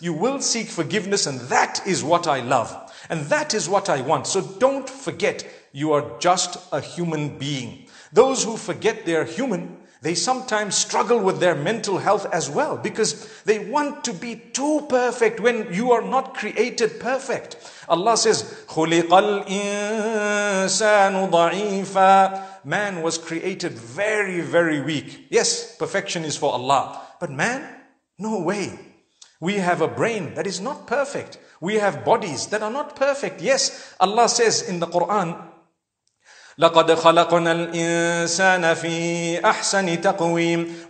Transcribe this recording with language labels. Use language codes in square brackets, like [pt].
[en] You will seek forgiveness, and that is what I love. And that is what I want. So don't forget, you are just a human being. Those who forget they are human, they sometimes struggle with their mental health as well, because they want to be too perfect when you are not created perfect. Allah says, [ar] خُلِقَ الْإِنسَانُ ضَعِيفًا. [en] Man was created very, very weak. Yes, perfection is for Allah. But man, no way. We have a brain that is not perfect. We have bodies that are not perfect. Yes, Allah says in the Quran, [ar] لَقَدْ خَلَقْنَا الْإِنسَانَ فِي أَحْسَنِ تَقْوِيمٍ.